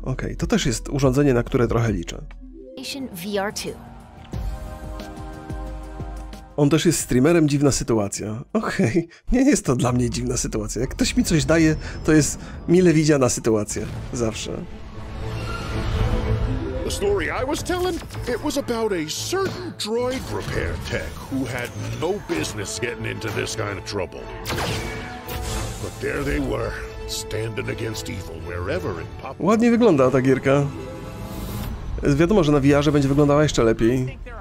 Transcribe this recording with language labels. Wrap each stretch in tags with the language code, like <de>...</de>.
<pl>Okej, okay, to też jest urządzenie, na które trochę liczę. PlayStation VR 2. On też jest streamerem, dziwna sytuacja. Okej, okay, nie jest to dla mnie dziwna sytuacja. Jak ktoś mi coś daje, to jest mile widziana sytuacja. Zawsze.</pl> <en>The story I was telling, it was about a certain droid repair tech who had no business getting into this kind of trouble. But there they were, standing against evil wherever it popped.</en> <pl>Ładnie wygląda ta gierka. Wiadomo, że na VR-ze będzie wyglądała jeszcze lepiej.</pl>